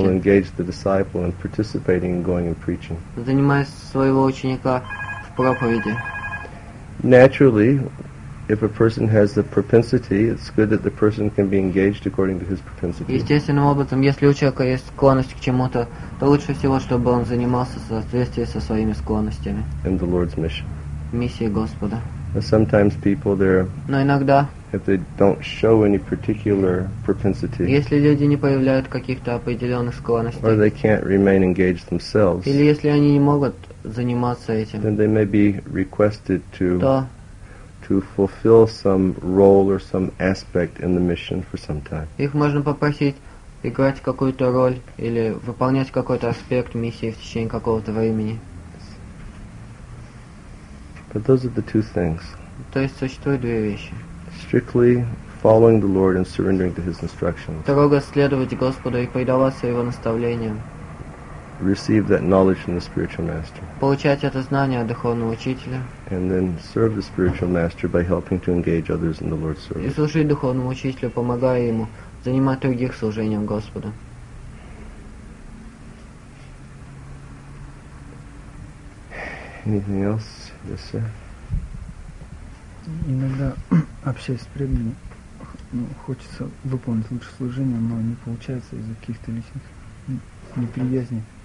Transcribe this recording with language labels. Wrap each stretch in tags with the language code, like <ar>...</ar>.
<en>Will engage the disciple in participating in going and preaching.</en> <ru>Занимая своего ученика в проповеди.</ru> <en>Naturally, if a person has the propensity, it's good that the person can be engaged according to his propensity.</en> <ru>Естественным образом, если у человека есть склонность к чему-то, то лучше всего, чтобы он занимался в соответствии со своими склонностями.</ru> <en>In the Lord's mission.</en> <ru>Миссии Господа.</ru> <en>But sometimes people there.</en> <ru>Но иногда.</ru> <en>If they don't show any particular propensity.</en> <ru>Если люди не проявляют каких-то определенных склонностей.</ru> <en>Or they can't remain engaged themselves.</en> <ru>Или если они не могут заниматься этим.</ru> <en>Then they may be requested to fulfill some role or some aspect in the mission for some time.</en> <ru>Их можно попросить играть какую-то роль или выполнять какой-то аспект миссии в течение какого-то времени.</ru> <en>But those are the two things.</en> <ru>То есть существуют две вещи.</ru> <en>Strictly following the Lord and surrendering to His instructions.</en> <ru>Строго следовать Господу и предаваться Его наставлениям.</ru> <en>Receive that knowledge from the spiritual master.</en> <ru>Получать это знание от духовного учителя.</ru> <en>And then serve the spiritual master by helping to engage others in the Lord's service.</en> <ru>И служить духовному учителю, помогая ему занимать других служением Господу.</ru> <en>Anything else? Yes, sir.</en> <ru>Иногда общаясь с преданными, ну, хочется выполнить лучшее служение, но не получается из-за каких-то личных неприязней.</ru>